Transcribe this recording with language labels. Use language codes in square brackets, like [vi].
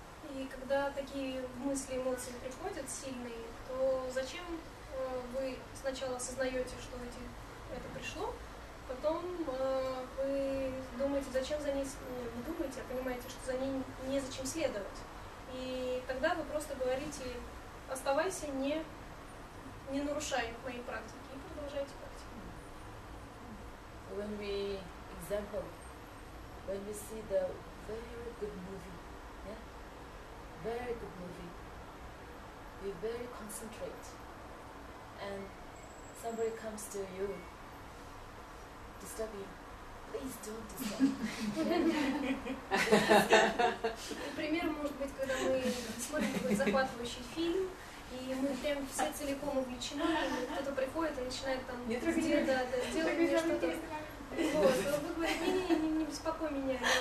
[ru] И когда такие мысли, эмоции приходят сильные, то зачем вы сначала осознаете, что это пришло? Потом вы думаете, зачем за ней, не думаете, а понимаете, что за ней незачем следовать. И тогда вы просто говорите, оставайся, не нарушай моей практики, и продолжайте практику. [en] When we, example, when we see the very good movie, yeah? Very good movie, we very concentrate, and somebody comes to you, disturb you, Please don't disturb. [ru] Например, может быть, когда мы смотрим какой-то захватывающий фильм, и мы прям все целиком увлечены, и кто-то приходит и начинает там сделать мне что-то. Вы говорите, не беспокой меня.